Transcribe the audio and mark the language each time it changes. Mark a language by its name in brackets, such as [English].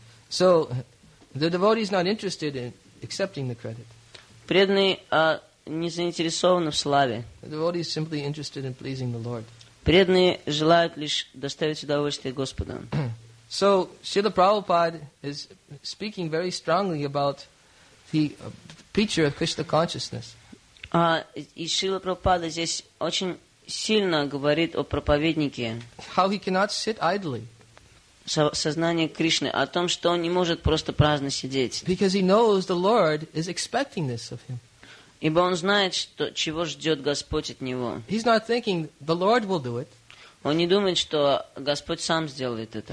[English] So the devotee is not interested in accepting the credit. [Russian] Преданный не заинтересован в славе. [English] The devotee is simply interested in pleasing the Lord. [Russian] Преданные желают лишь доставить удовольствие Господу. [English] So Srila Prabhupada is speaking very strongly about the picture of Krishna consciousness. [Russian] И Шрила Прабхупада здесь очень сильно говорит о проповеднике. [English] How he cannot sit idly. [Russian] Сознание Кришны о том, что он не может просто праздно сидеть. [English] Because he knows the Lord is expecting this of him. [Russian] Ибо он знает, что чего ждет Господь от него. [English] He's not thinking the Lord will do it. [Russian] Он не думает, что Господь сам сделает это.